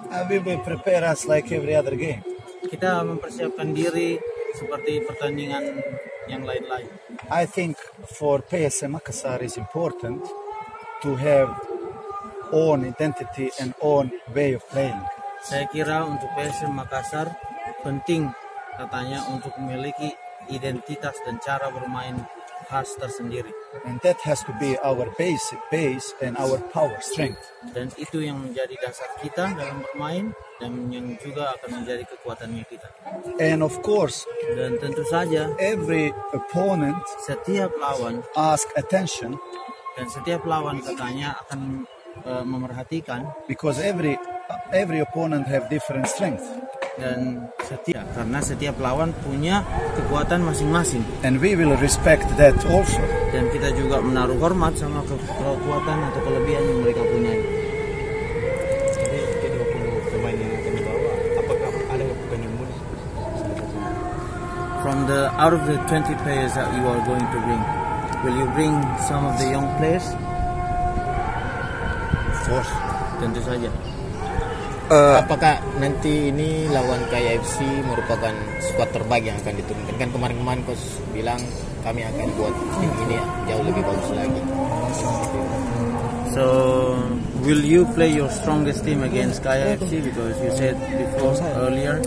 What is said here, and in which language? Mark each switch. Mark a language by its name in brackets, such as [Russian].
[English] We will prepare us like every other game. [Indonesian] Kita mempersiapkan diri seperti pertandingan yang lain-lain. [English] I think for PSM Makassar is important to have own identity and own way of playing. [Indonesian] Saya kira untuk PSM Makassar penting katanya untuk memiliki identitas dan cara bermain khas tersendiri. [English] And that has to be our base and our power strength. [Indonesian] Dan itu yang menjadi dasar kita dalam bermain dan yang juga akan menjadi kekuatan kita. [English] And of course, [Indonesian] dan tentu saja [English] every opponent, [Indonesian] setiap lawan [English] ask attention, [Indonesian] dan setiap lawan katanya akan memerhatikan, [English] because every opponent have different strength. [Indonesian] Dan setiap, karena setiap lawan punya kekuatan masing-masing. [English] And we will respect that also. [Indonesian] Dan kita juga menaruh hormat sama kekuatan atau kelebihan yang mereka punya. Jadi kedua pemain yang kami bawa, apakah ada penyembuhan? [English] From the out of the 20 players that you are going to bring, will you bring some of the young players? Of course. [Indonesian] Tentu saja. Apakah nanti ini lawan KFC merupakan skuad terbaik yang akan diturunkan? Kan kemarin coach bilang kami akan buat tim ini jauh lebih bagus lagi. [English] So, will you play your strongest team against KFC because you said before earlier?